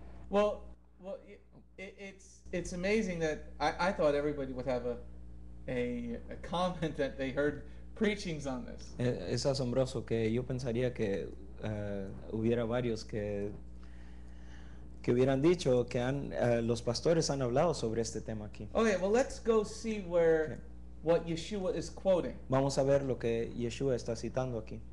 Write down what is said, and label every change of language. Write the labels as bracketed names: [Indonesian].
[English] Well, it's amazing that I thought everybody would have a comment that they heard preachings on this. [Spanish] Es asombroso que yo pensaría que hubiera varios que hubieran dicho que han los pastores han hablado sobre este tema aquí. [English] Okay, well, let's go see where what Yeshua is quoting. [Spanish] Vamos a ver lo que Yeshua está citando aquí.